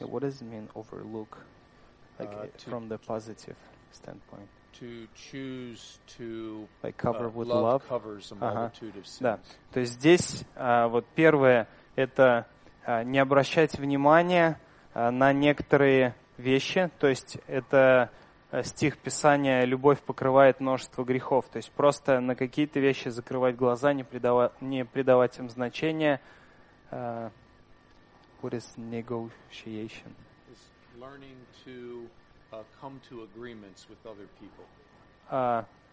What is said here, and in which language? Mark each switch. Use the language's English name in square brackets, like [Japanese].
[English] Yeah, what does it mean, overlook, from the positive standpoint? To choose to like cover with love. Love covers a multitude of sins. [Russian] Да. То есть здесь вот первое, это не обращать внимания на некоторые вещи. То есть это стих Писания, любовь покрывает множество грехов. То есть просто на какие-то вещи закрывать глаза, не придавать им значения. [English] What is negotiation? It's learning to come to agreements with other people.